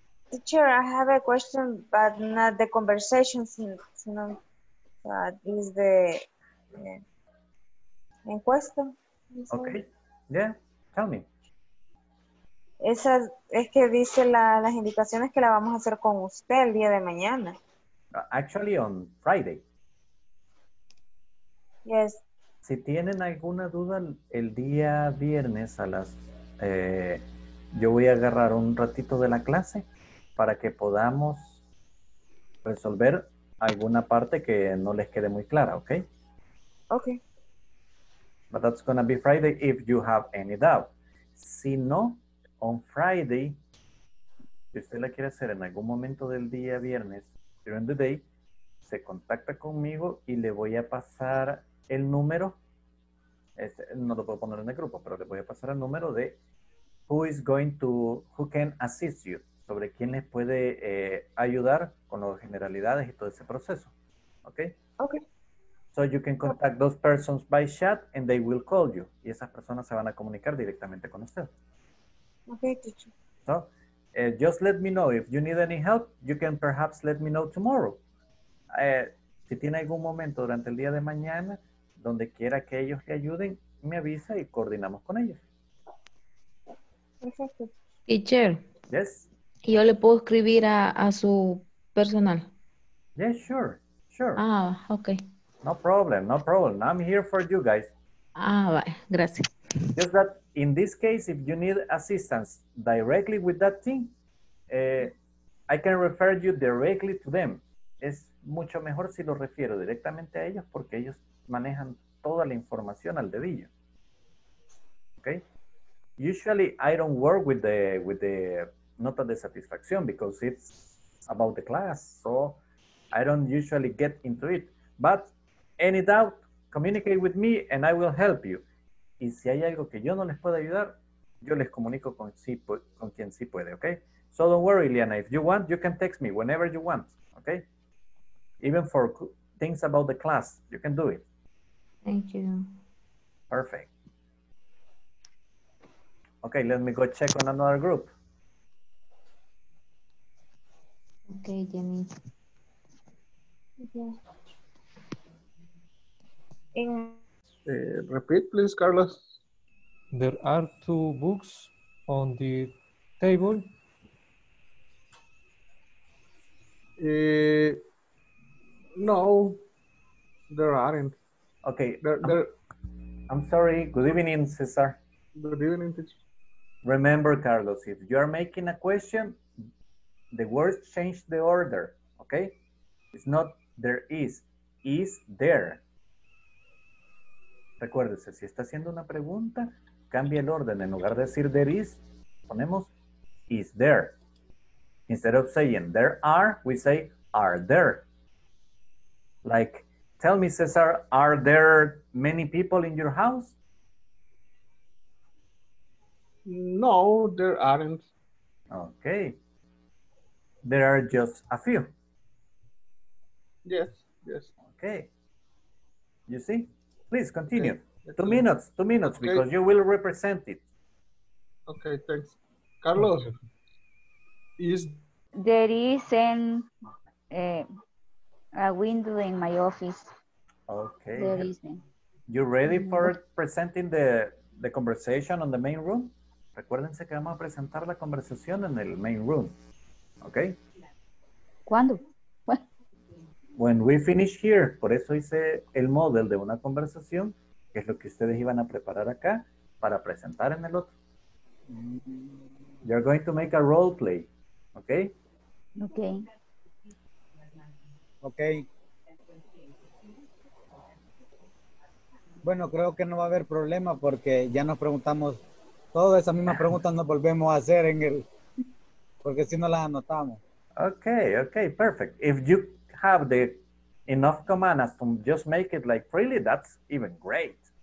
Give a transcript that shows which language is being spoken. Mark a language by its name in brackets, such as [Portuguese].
[English] Teacher, I have a question, but not the conversation, since, you know, but is the encuesta. Okay. Yeah, tell me. [Spanish] Esa es que dice las indicaciones que la vamos a hacer con usted el día de mañana. [English] Actually, on Friday. Yes. [Spanish] Si tienen alguna duda, el día viernes a las... yo voy a agarrar un ratito de la clase para que podamos resolver alguna parte que no les quede muy clara, ¿ok? [English] Ok. But that's going to be Friday if you have any doubt. [Spanish] Si no, [English] on Friday, [Spanish] si usted la quiere hacer en algún momento del día viernes, [English] during the day, [Spanish] se contacta conmigo y le voy a pasar el número. No lo puedo poner en el grupo, pero le voy a pasar el número de [English] who is going to, who can assist you, [Spanish] sobre quién les puede ayudar con las generalidades y todo ese proceso. ¿Ok? [English] Ok. So you can contact those persons by chat and they will call you. [Spanish] Y esas personas se van a comunicar directamente con usted. [English] Ok, teacher. So, just let me know. If you need any help, you can perhaps let me know tomorrow. [Spanish] Si tiene algún momento durante el día de mañana, donde quiera que ellos le ayuden, me avisa y coordinamos con ellos. Perfecto. [English] Teacher. Yes. [Spanish] Yo le puedo escribir a su personal. [English] Yes, yeah, sure. Sure. Ah, okay. No problem, no problem. I'm here for you guys. Ah, bye. [Spanish] Gracias. [English] Just that in this case, if you need assistance directly with that thing, I can refer you directly to them. [Spanish] Es mucho mejor si lo refiero directamente a ellos porque ellos manejan toda la información al dedillo. [English] Okay? Usually I don't work with the [Spanish] nota de satisfacción [English] because it's about the class, so I don't usually get into it. But any doubt, communicate with me and I will help you. [Spanish] Y si hay algo que yo no les pueda ayudar, yo les comunico con quien sí puede, okay? [English] So don't worry, Liana. If you want, you can text me whenever you want, okay? Even for things about the class, you can do it. Thank you. Perfect. Okay, let me go check on another group. Okay, Jenny. Yeah. Repeat, please, Carlos. There are two books on the table. No, there aren't. Okay. I'm sorry. Good evening, Cesar. Good evening, teacher. Remember, Carlos, if you are making a question, the words change the order, okay? It's not there is there. [Spanish] Recuérdese, si está haciendo una pregunta, cambia el orden. En lugar de decir [English] there is, [Spanish] ponemos [English] is there. Instead of saying there are, we say are there. Like, tell me, Cesar, are there many people in your house? No, there aren't. Okay. There are just a few. Yes, yes. Okay. You see? Please continue. Okay. Two minutes, okay. Because you will represent it. Okay, thanks. Carlos, is... There is a window in my office. Okay. There is you ready for presenting the conversation on the main room? [Spanish] Recuérdense que vamos a presentar la conversación en el [English] main room. Okay? [Spanish] ¿Cuándo? [English] When we finish here, [Spanish] por eso hice el model de una conversación, que es lo que ustedes iban a preparar acá para presentar en el otro. [English] You're going to make a role play, okay? Okay. Okay. [Spanish] Bueno, creo que no va a haber problema porque ya nos preguntamos todas esas mismas preguntas nos volvemos a hacer en el, porque si no las anotamos. [English] Okay, perfect. If you have the enough commands to just make it like freely, that's even great.